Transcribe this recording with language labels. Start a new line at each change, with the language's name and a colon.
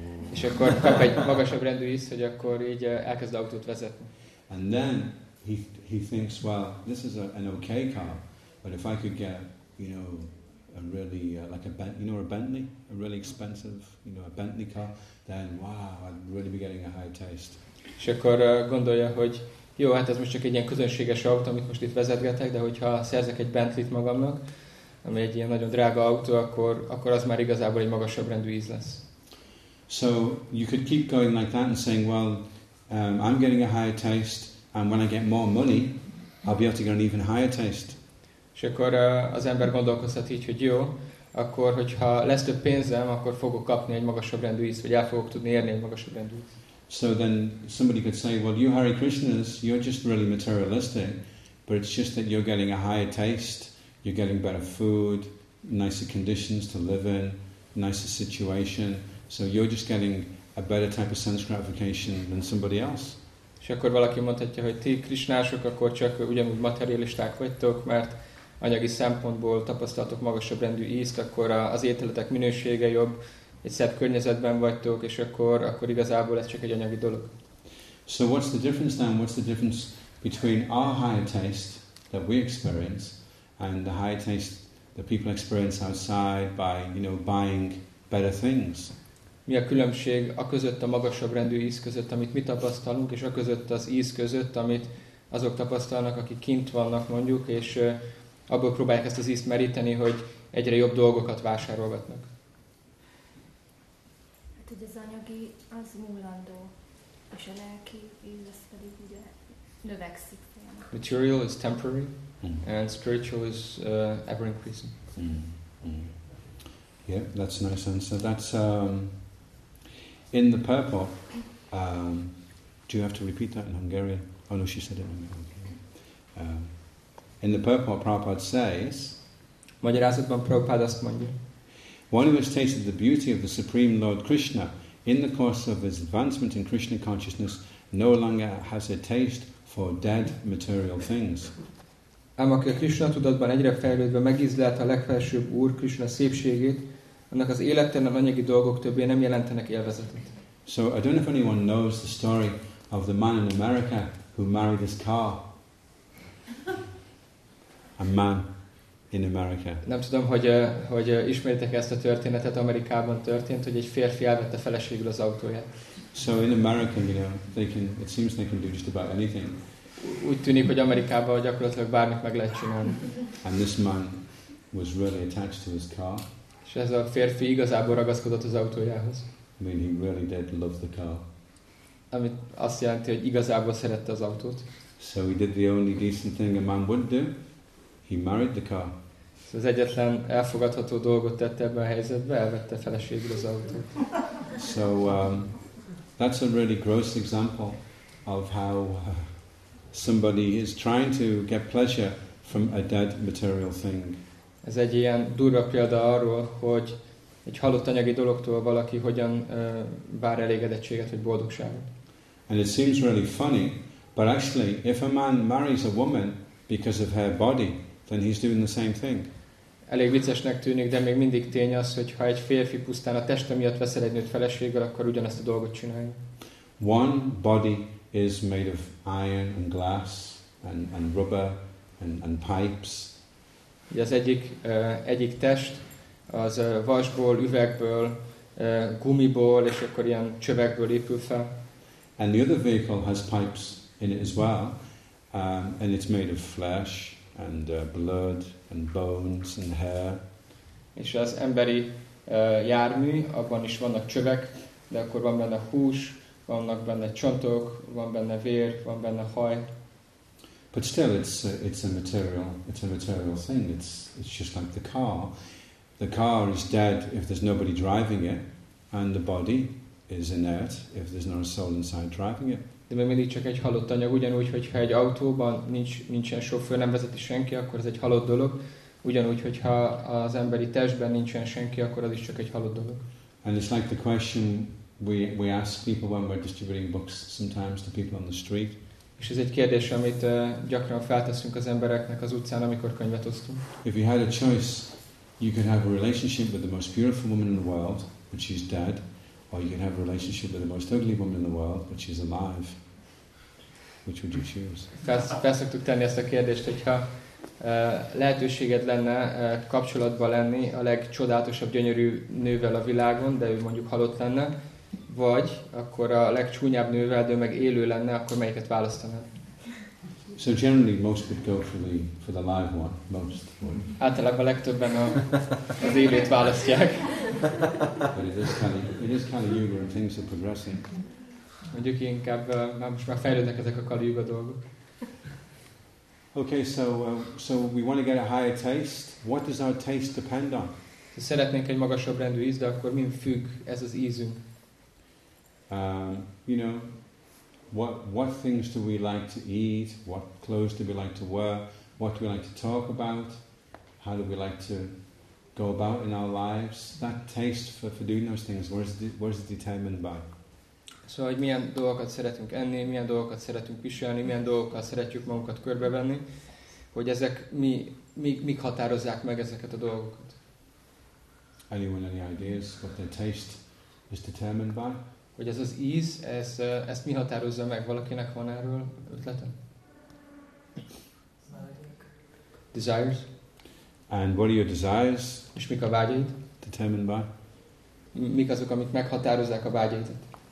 Hungarian: És akkor kap egy magasabb rendű ízt, hogy akkor így elkezd autót vezetni.
English: And then he thinks, well, this is an okay car, but if I could get, you know, a really like a Bentley, you know, a Bentley, a really expensive, you know, a Bentley car, then wow, I'd really be getting a high taste.
Hungarian: És akkor gondolja, hogy jó, hát ez most csak egy ilyen közönséges autó, amit most itt vezetgetek, de hogyha szerzek egy Bentleyt magamnak, ami egy ilyen nagyon drága autó, akkor az már igazából egy magasabb rendű íz lesz.
English: So you could keep going like that and saying, well, I'm getting a higher taste, and when I get more money, I'll be able to get an even higher taste.
Hungarian: És akkor az ember gondolkozhat így, hogy jó, akkor hogyha lesz több pénzem, akkor fogok kapni egy magasabb rendű íz, vagy el fogok tudni érni egy magasabb rendű íz.
English: So then somebody could say, well, you Hare Krishnas, you're just really materialistic, but it's just that you're getting a higher taste. You're getting better food, nicer conditions to live in, nicer situation. So you're just getting a better type of sense gratification than somebody else.
Hungarian: És akkor valaki mondhatja, hogy ti krisnások, akkor csak ugyanúgy materialisták vagytok, mert anyagi szempontból tapasztaltok magasabb rendű ízt, akkor az ételetek minősége jobb, egy szebb környezetben vagytok, és akkor igazából ez csak egy anyagi dolog.
English: So what's the difference then? What's the difference between our higher taste that we experience and the high taste that people experience outside by, you know, buying better things?
Hungarian: Mi a különbség a között, a magasabb rendű íz között, amit mi tapasztalunk, és a között az íz között, amit azok tapasztalnak, akik kint vannak mondjuk, és abból próbálják ezt az ízt meríteni, hogy egyre jobb dolgokat vásárolgatnak? Hát ugye az anyagi az múlandó, és a lelki íz az pedig ugye növekszik.
English: Material is temporary. Mm-hmm. And spiritual is ever increasing. Mm-hmm. Yeah, that's a nice answer. That's in the purple. Do you have to repeat that in Hungarian? Oh no, she said it in Hungarian. In the purple, Prabhupada says.
Hungarian: Magyarázatban Prabhupada azt mondja.
English: One who has tasted the beauty of the Supreme Lord Krishna in the course of his advancement in Krishna consciousness no longer has a taste for dead material things.
Hungarian: Ám aki a Krishna tudatban egyre fejlődve megízlelt a legfelsőbb Úr Krishna szépségét, annak az élettelen anyagi dolgok többé nem jelentenek élvezetet.
English: So I don't know if anyone knows the story of the man in America who married his car. A man in America.
Hungarian: Nem tudom, hogy ismeritek ezt a történetet. Amerikában történt, hogy egy férfi elvette feleségül az autóját.
English: So in America, you know, it seems they can do just about anything.
Hungarian: Úgy tűnik, hogy Amerikában gyakorlatilag bármit meg lehet csinálni.
English: And this man was really attached to his car.
Hungarian: És ez a férfi igazából ragaszkodott az autójához.
English: I mean, he really did love the car.
Hungarian: Ami azt jelenti, hogy igazából szerette az autót.
English: So he did the only decent thing a man would do. He married the car.
Hungarian: Szóval az egyetlen elfogadható dolgot tette ebben a helyzetben, elvette feleségül az autót.
English: So that's a really gross example of how somebody is trying to get pleasure from a dead material thing.
Hungarian: Ez egy ilyen durva példa arról, hogy egy halott anyagi dologtól valaki hogyan vár elégedettséget vagy boldogságot.
English: And it seems really funny, but actually, if a man marries a woman because of her body, then he's doing the same thing.
Hungarian: Elég viccesnek tűnik, de még mindig tény az, hogy ha egy férfi pusztán a teste miatt veszel egy nőt feleséggel, akkor ugyanezt a dolgot csinálja.
English: One body is made of iron and glass and rubber and pipes.
Hungarian: Az egyik egyik test az vasból, üvegből, gumiból és akkor ilyen csövekből épül fel.
English: And the other vehicle has pipes in it as well, and it's made of flesh and blood and bones and hair.
Hungarian: És az emberi jármű, abban is vannak csövek, de akkor van benne hús, vannak benne csontok, van benne vér, van benne haj.
English: But still, it's a material thing. It's just like the car. The car is dead if there's nobody driving it, and the body is inert if there's not a soul inside driving it.
Hungarian: De még mindig csak egy halott anyag, ugyanúgy, hogyha egy autóban nincsen sofőr, nem vezeti senki, akkor ez egy halott dolog. Ugyanúgy, hogyha az emberi testben nincsen senki, akkor az is csak egy halott dolog.
English: And it's like the question we ask people when we're distributing books sometimes to people on the street.
Hungarian: És ez egy kérdés, amit gyakran felteszünk az embereknek az utcán, amikor könyvet osztunk.
English: If you had a choice, you could have a relationship with the most beautiful woman in the world, but she's dead, or you could have a relationship with the most ugly woman in the world, but she's alive. Which would you choose?
Hungarian: Felszoktuk tenni ezt a kérdést, hogyha lehetőséged lenne kapcsolatban lenni a legcsodálatosabb, gyönyörű nővel a világon, de ő mondjuk halott lenne, vagy akkor a legcsúnyább nővel, de meg élő lenne, akkor melyiket választanád?
English: So generally most would go for the live one, most would.
Hungarian: Általában legtöbben az élőt választják.
English: But it is kind of yuga and things are progressing.
Hungarian: Mondjuk inkább most már fejlődnek ezek a kali yuga dolgok.
English: Okay, so we want to get a higher taste. What does our taste depend on?
Hungarian: Ha szeretnénk egy magasabb rendű íz, de akkor mi függ ez az ízünk?
English: You know, what things do we like to eat? What clothes do we like to wear? What do we like to talk about? How do we like to go about in our lives? That taste for doing those things, where is it determined by?
Hungarian: So, hogy milyen dolgokat szeretünk enni, milyen dolgokat szeretünk viselni, milyen dolgokat szeretjük magunkat körbevenni, hogy ezek mik határozzák meg ezeket a dolgokat?
English: Anyone any ideas what their taste is determined by?
Hungarian: Hogy ez az íz, ezt mi határozza meg? Valakinek van erről ötlete?
English: Desires. And what are your desires?
Hungarian: És mik a vágyaid?
English: Determined by.
Hungarian: Mik azok, amik meghatározzák a vágyaidat?